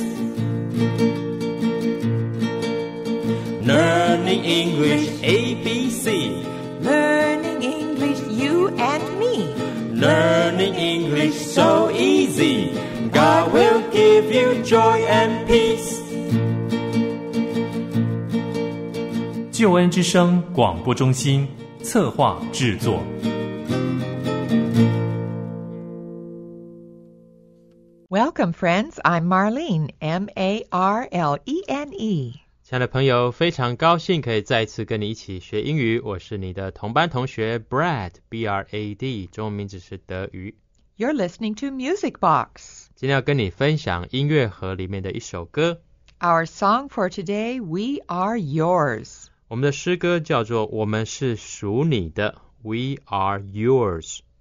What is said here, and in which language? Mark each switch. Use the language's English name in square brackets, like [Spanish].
[English] Learning English ABC. Learning EnglishAnd me. Learning English so easy. God will give you joy and peace. [Chinese] 救恩之声广播中心策划制作。 [English] Welcome, friends. I'm Marlene, M-A-R-L-E-N-E. [Chinese] 亲爱的朋友，非常高兴可以再次跟你一起学英语。我是你的同班同学 Brad, B-R-A-D, 中文名字是德瑜。 [English] You're listening to Music Box. [Chinese] 今天要跟你分享音乐盒里面的一首歌。 [English] Our song for today, We Are Yours. [Chinese] 我们的诗歌叫做我们是属你的 [English] We Are Yours.